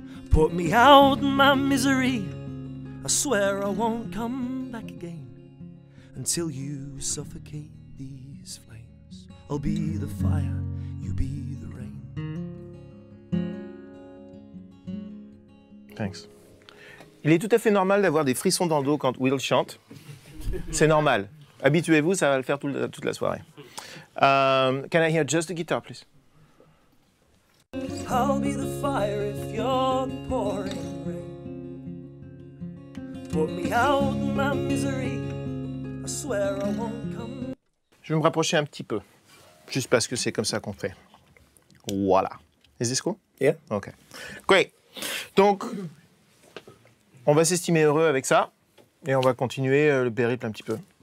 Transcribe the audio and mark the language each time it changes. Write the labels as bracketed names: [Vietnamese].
[English] Put me out in my misery. I swear I won't come back again until you suffocate these flames. I'll be the fire, you be the rain. Thanks. [French] Il est tout à fait normal d'avoir des frissons dans le dos quand Will chante. C'est normal. Habituez-vous, ça va le faire toute la soirée. [English] Can I hear just the guitar, please? I'll be the fire if you're pouring rain. Put me out of my misery. I swear I won't come. [French] Je vais me rapprocher un petit peu, juste parce que c'est comme ça qu'on fait. [English] Voilà. Is this cool? Yeah. Okay. Great. [French] Donc, on va s'estimer heureux avec ça et on va continuer le périple un petit peu.